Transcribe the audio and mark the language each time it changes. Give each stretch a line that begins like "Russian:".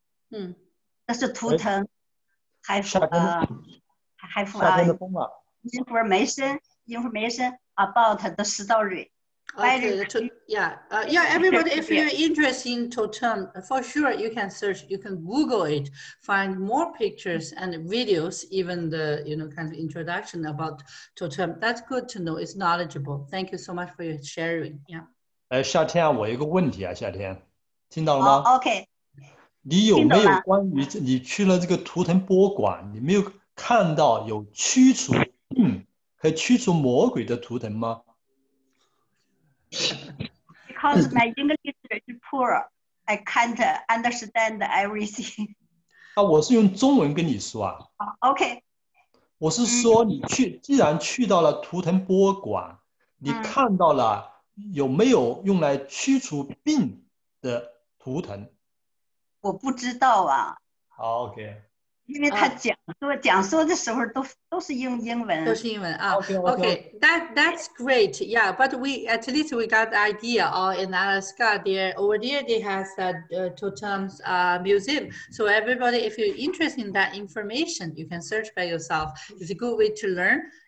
English: That's the totem have information about the story. Everybody, if you're interested in totem, for sure you can search, you can Google it, find more pictures and videos, even the, you know, kind of introduction about totem. That's good to know, it's knowledgeable. Thank you so much for your sharing. Yeah.
Chinese: 夏天，我有个问题啊，夏天，听到了吗？
English: OK。
Chinese: 你有没有关于你去了这个图腾博物馆，你没有看到有驱除病和驱除魔鬼的图腾吗？
English: Because my English is poor, I can't understand everything.
Chinese: 我是用中文跟你说啊。
English: OK.
Chinese: 我是说你去，既然去到了图腾博物馆，你看到了有没有用来驱除病的图腾？我不知道啊。好，OK. 因为他讲说的时候都是用英文，都是英文啊。
English: Okay, that's great. Yeah, but at least we got the idea. In Alaska, there over there they have a totems museum. So everybody, if you're interested in that information, you can search by yourself. It's a good way to learn.